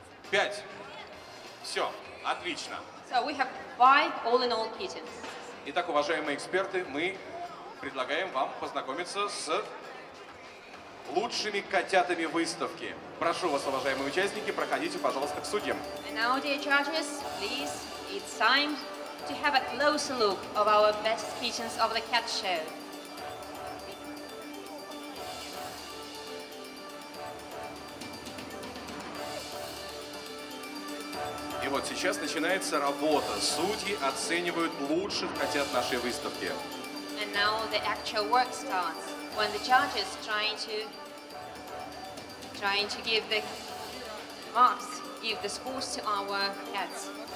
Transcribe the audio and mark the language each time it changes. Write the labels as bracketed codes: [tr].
[ru] Пять. Все, отлично. [en] So we have five all in all kittens. [ru] Итак, уважаемые эксперты, мы предлагаем вам познакомиться с лучшими котятами выставки. Прошу вас, уважаемые участники, проходите, пожалуйста, к судьям. [en] And now, dear judges, please, it's time to have a closer look of our best kittens of the cat show. [ru] И вот сейчас начинается работа. Судьи оценивают лучших котят нашей выставки. [en] And now the actual work starts when the judges trying to give the marks, give the scores to our cats.